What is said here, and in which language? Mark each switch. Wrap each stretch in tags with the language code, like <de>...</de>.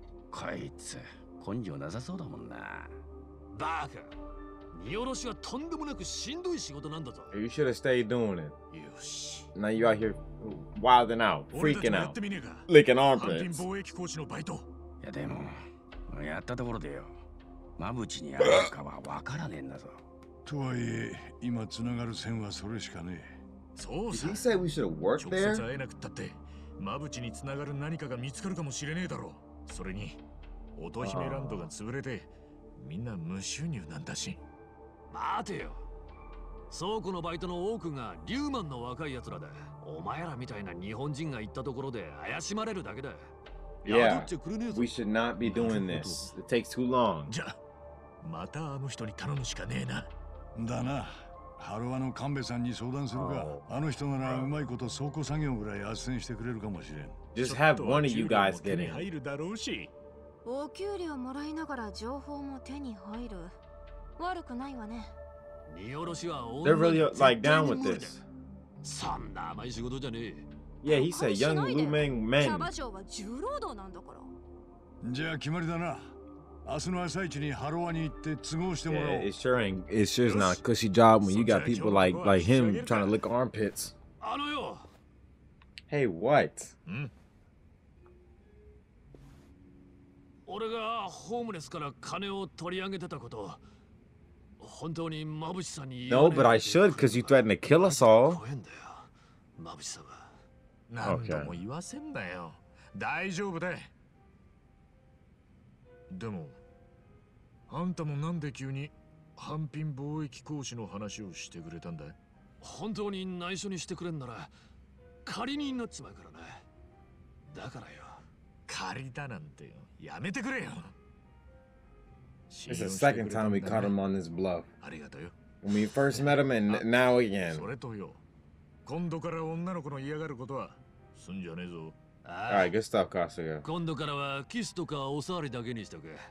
<ja>こいつ根性なさそうだもんな。バーカ。荷卸しはとんでもなくしんどい仕事なんだぞ。</ja> <en>You should have stayed doing it.</en> <ja>よし。</ja> <en>Now you're out here wilding out, freaking out, licking armpits.</en> <ja>反品貿易公使のバイト。いやでもやったところでよ、マブチにあるかはわからねえんだぞ。とはいえ今つながる線はそれしかねえ。そうさ。</ja> <en>Did he say we should have worked there?</en> <ja>直接会えなくったってマブチにつながる何かが見つかるかもしれねえだろう。それに乙姫ランドが潰れてみんな無収入なんだし。待てよ。倉庫のバイトの多くがリューマンの若い奴らだ。お前らみたいな日本人が行ったところで怪しまれるだけだ。</ja> <en>Yeah, we should not be doing this. It takes too long.</en> <ja>じゃあ、またあの人に頼むしかねえな。だな。ハロワの神戸さんに相談するか。あの人ならうまいこと倉庫作業ぐらい斡旋してくれるかもしれん。</ja> <en>Just have one of you guys get in.</en> <ja>手に入るだろうし。お給料もらいながら情報も手に入る。悪くないわね。荷卸しは</ja> <en>They're really like down with this.</en> <ja>そんな甘い仕事じゃねえ。</ja> <en>Yeah, he said young looming men.</en> <ja>キャバ嬢は重労働なんだから。じゃあ決まりだな。明日の朝一にハロワに行って都合してもらおう。</ja> <en>Yeah, it's sure not a cushy job when you got people like him trying to lick armpits.</en> <ja>あのよ。</ja> <en>Hey, what?</en> <ja>俺がホームレスから金を取り上げてたこと。本当にマブチさんに。</ja> <en>No, but I should, because you threatened to kill us all.</en> <ja>怖いんだよ、マブチさんは。何度も言わせんなよ。大丈夫だ。でも、あんたもなんで急に半品貿易講師の話をしてくれたんだ。本当に内緒にしてくれんなら仮になっちまうからな。だからよ、仮だなんてやめてくれよ。</ja> <en>It's the second time we caught him on this bluff.</en> <ja>ありがとうよ。</ja> <en>When we first met him and now again.</en> <ja>それとよ、今度から女の子の嫌がることはすんじゃねえぞ。</ja> <en>All right, good stuff, Kasuga.</en> <ja>今度からはキスとかおさわりだけにしとく。</ja>